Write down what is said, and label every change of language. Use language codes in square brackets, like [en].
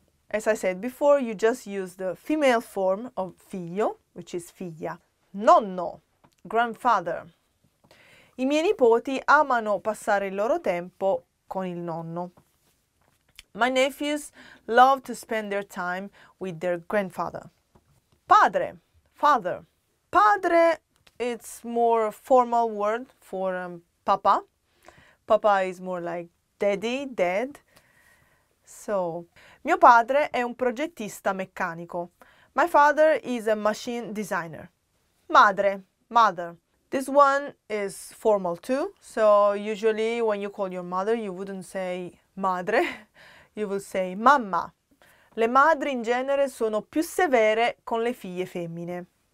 [en] As I said before, you just use the female form of figlio, which is figlia. Nonno, grandfather. [it] I miei nipoti amano passare il loro tempo con il nonno. [en] My nephews love to spend their time with their grandfather. Padre, father. Padre, it's more formal word for papa. Papa is more like daddy, dad. So, [it] mio padre è un progettista meccanico. [en] My father is a machine designer. Madre, mother. This one is formal too. So, usually when you call your mother, you wouldn't say madre. You will say mamma. [it] Le madri in genere sono più severe con le figlie femmine.